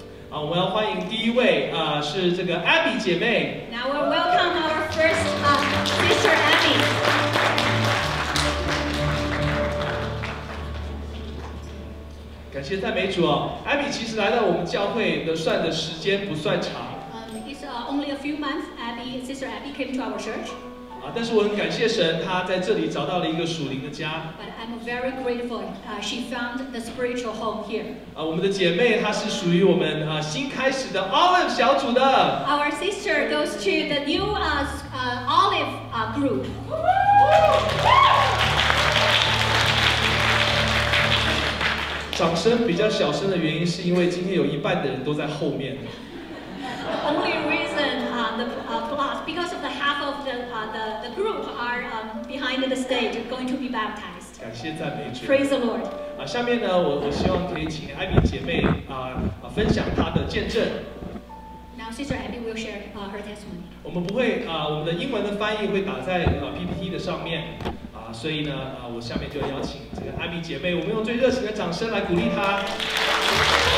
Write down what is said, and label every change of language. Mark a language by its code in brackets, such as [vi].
[zh] 我们要欢迎第一位啊、是这个 Abby 姐妹。 [en] Now we welcome our first sister Abby。 [zh] 感谢赞美主哦 ，Abby 其实来到我们教会的算的时间不算长。 [en] Only a few months, Sister Abby came to our church. [zh] 但是我很感谢神，她在这里找到了一个属灵的家。 [en] But I'm very grateful. She found the spiritual home here. [zh] 我们的姐妹她是属于我们新开始的 Olive 小组的。 [en] Our sister goes to the new Olive group. [zh] 掌声比较小声的原因是因为今天有一半的人都在后面。 [en] Only reason the plus because of the half of the group are behind the stage going to be baptized. [zh] 感谢赞美主。 [en] Praise the Lord. [zh] 下面呢，我希望可以请艾米姐妹分享她的见证。 [en] Now Sister Abby will share her testimony. [zh] 我们不会我们的英文的翻译会打在PPT 的上面所以呢我下面就邀请这个艾米姐妹，我们用最热情的掌声来鼓励她。